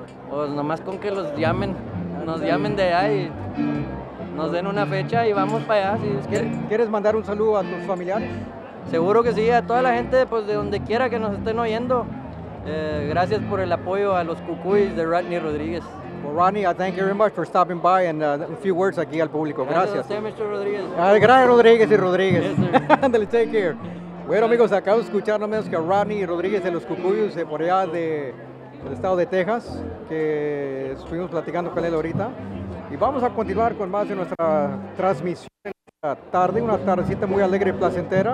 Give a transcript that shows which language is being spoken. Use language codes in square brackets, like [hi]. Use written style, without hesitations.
[es] Pues nomás con que los llamen, nos llamen de ahí, nos den una fecha y vamos para allá. Si es que... ¿Quieres mandar un saludo a tus familiares? Seguro que sí, a toda la gente pues, de donde quiera que nos estén oyendo. Gracias por el apoyo a los Cucuyos de Rodney Rodríguez. [en] Well, Rodney, I thank you very much for stopping by and a few words [es] aquí al público. Gracias. Gracias a usted, Mr. Rodríguez. Gracias, Rodríguez y Rodríguez. [en] Yes, sir. Andale, take care. [es] Bueno, amigos, acabo de escuchar no menos que a Rodney Rodríguez de los Cucuyos de por allá de... el estado de Texas, que estuvimos platicando con él ahorita. Y vamos a continuar con más de nuestra transmisión en esta tarde, una tardecita muy alegre y placentera.